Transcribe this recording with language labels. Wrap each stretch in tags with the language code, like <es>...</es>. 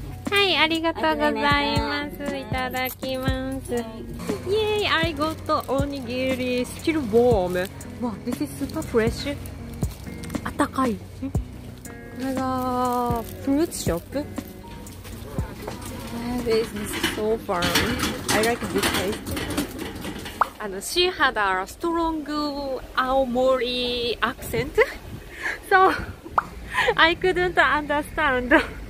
<ja>はい、ありがとうございます。いただきます。</ja> <en>イエーイ、I got おにぎり、still warm。わ、this is super fresh。</en> <ja>あったかい。これがフルーツショップ。</ja> <en>That is so firm。 I like this place。 あの、she had a strong 青森アクセント。 So, I couldn't understand.</en>